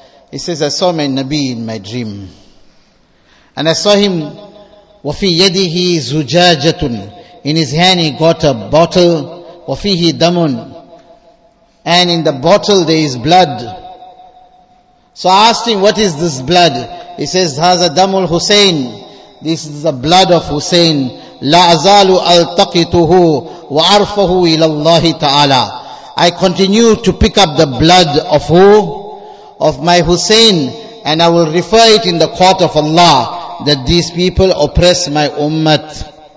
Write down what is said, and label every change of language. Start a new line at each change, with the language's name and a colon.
English: He says, I saw my Nabi in my dream. And I saw him,
Arabic: وَفِي يَدِهِ زُجَاجَةٌ.
English: In his hand he got a bottle,
Arabic: وَفِيهِ دَمٌ.
English: And in the bottle there is blood. So I asked him, what is this blood? He says,
Arabic: هَذَا دَمُ الْحُسَيْنِ.
English: This is the blood of Hussein.
Arabic: La azalu altaqituhu wa arfahu ila Allah ta'ala.
English: I continue to pick up the blood of who? Of my Hussein, and I will refer it in the court of Allah, that these people oppress my ummah.